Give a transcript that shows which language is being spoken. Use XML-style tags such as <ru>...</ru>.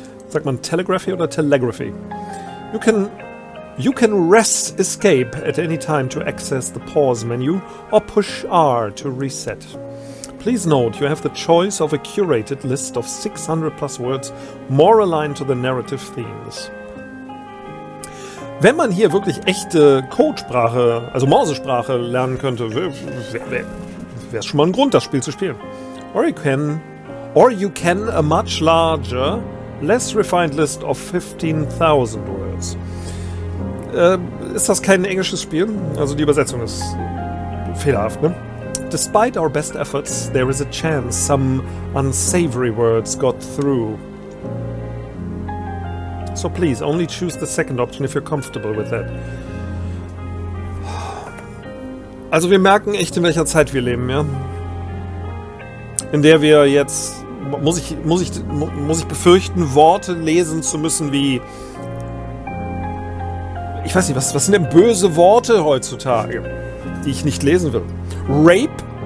<de>Sagt man telegraphy oder telegraphy?</de> <en>You can rest escape at any time to access the pause menu or push R to reset. Please note, you have the choice of a curated list of 600 plus words more aligned to the narrative themes.</en> <de>Wenn man hier wirklich echte Codesprache, also Morsesprache lernen könnte, wär's schon mal ein Grund, das Spiel zu spielen.</de> <en>Or you can a much larger, less refined list of 15,000 words.</en> <de>Ist das kein englisches Spiel? Also die Übersetzung ist fehlerhaft, ne?</de> <en>Despite our best efforts, there is a chance some unsavory words got through. So please, only choose the second option if you're comfortable with that.</en> <de>Also wir merken echt, in welcher Zeit wir leben, ja? In der wir jetzt... Muss ich befürchten, Worte lesen zu müssen wie... Ich weiß nicht, was sind denn böse Worte heutzutage, die ich nicht lesen will? Rape?</de>